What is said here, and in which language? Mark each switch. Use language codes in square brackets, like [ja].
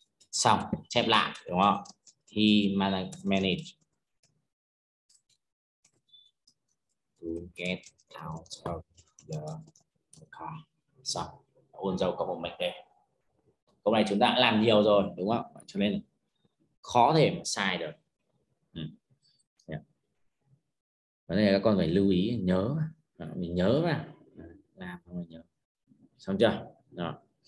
[vi] Xong, chép lại, đúng không? [en] He managed to get out of the car. [vi] Xong, Ôn Dâu có một mệnh đề. Câu này chúng ta đã làm nhiều rồi, đúng không? Cho nên khó thể mà sai được. Vấn đề là các con phải lưu ý, nhớ. Đó, mình nhớ mà. Làm mà nhớ. Xong chưa? Đó.